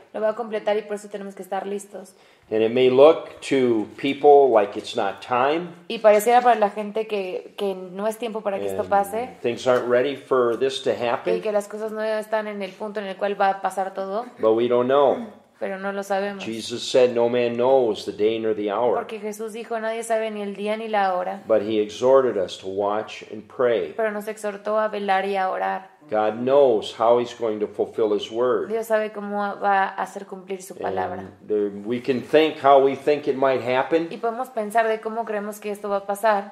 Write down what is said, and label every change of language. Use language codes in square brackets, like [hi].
[es] Lo va a completar y por eso tenemos que estar listos. [en] And it may look to people like it's not time. [es] Y pareciera para la gente que no es tiempo para que esto pase. [en] Things aren't ready for this to happen. [es] Y que las cosas no están en el punto en el cual va a pasar todo. [en] But we don't know. [es] Pero no lo sabemos. [en] Jesus said, "No man knows the day nor the hour." [es] Porque Jesús dijo, nadie sabe ni el día ni la hora. [en] But he exhorted us to watch and pray. [es] Pero nos exhortó a velar y a orar. [en] God knows how he's going to fulfill his word. [es] Dios sabe cómo va a hacer cumplir su palabra. [en] We can think how we think it might happen. [es] Y podemos pensar de cómo creemos que esto va a pasar.